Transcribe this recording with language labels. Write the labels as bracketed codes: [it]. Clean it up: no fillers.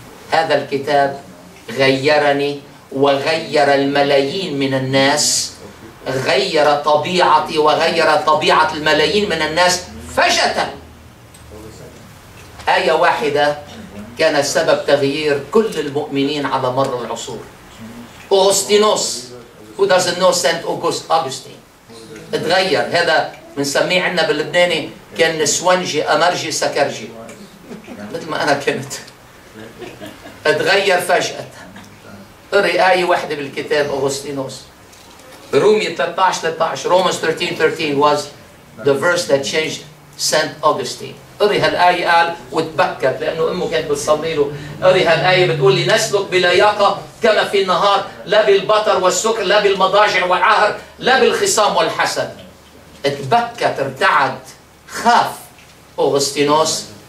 [ar] هذا الكتاب غيرني وغير الملايين من الناس. غير طبيعتي وغير طبيعة الملايين من الناس فجأة. آية واحدة كان سبب تغيير كل المؤمنين على مر العصور. أغسطينوس. [en] Who doesn't know Saint Augustine? [ar] اتغير. هذا منسميه عنا باللبناني كان نسوانجي أمرجي سكرجي. مثل ما أنا كنت. اتغير فجأة. قري آية واحدة بالكتاب أغسطينوس. رومي 13-13. [en] Romans 13-13 was the verse that changed Saint Augustine. [ar] قري هالآية قال وتبكت لأنه أمه كانت بتصلي له. قري هالآية بتقول لي نسلك بلياقة كما في النهار لا بالبطر والسكر لا بالمضاجع والعهر لا بالخصام والحسد. اتبكت ارتعد خاف أغسطينوس.